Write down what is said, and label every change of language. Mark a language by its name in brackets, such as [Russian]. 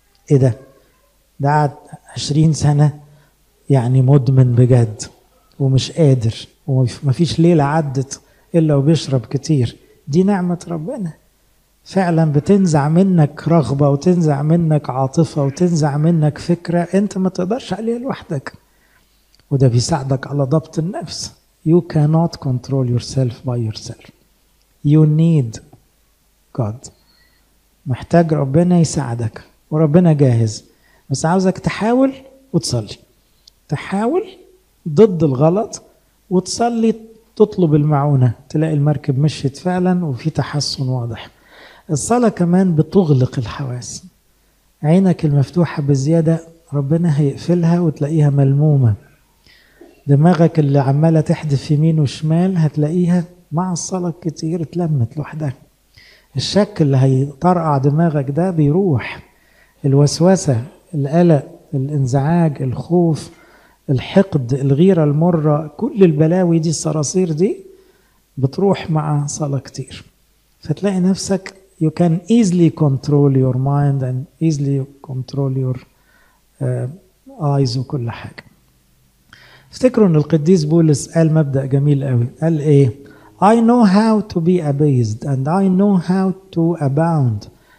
[Arabic] ايه ده؟ ده قعد 20 سنة يعني مدمن بجد ومش قادر، ومفيش ليلة عدت الا وبيشرب كتير. دي نعمة ربنا فعلا، بتنزع منك رغبة وتنزع منك عاطفة وتنزع منك فكرة انت ما تقدرش عليها لوحدك، وده بيساعدك على ضبط النفس. [English] You cannot control yourself by yourself. You need God. [Arabic] محتاج ربنا يساعدك، وربنا جاهز، بس عاوزك تحاول وتصلي. تحاول ضد الغلط وتصلي، تطلب المعونة، تلاقي المركب مشيت فعلا وفي تحسن واضح. الصلاة كمان بتغلق الحواس. عينك المفتوحة بزيادة ربنا هيقفلها وتلاقيها ملمومة. دماغك اللي عمالة تحدف يمين وشمال هتلاقيها مع الصلاة كتير اتلمت لوحدها. الشك اللي هيطرقع دماغك ده بيروح. الوسوسة، القلق، الانزعاج، الخوف، الحقد، الغيرة المرة، كل البلاوي دي، الصراصير دي بتروح مع صلاة كتير. فتلاقي نفسك [English] you can easily control your mind and easily control your eyes [Arabic] وكل حاجة. افتكروا ان القديس بولس قال مبدأ جميل قوي، قال ايه؟ [English] I know how to be abased and I know how to abound.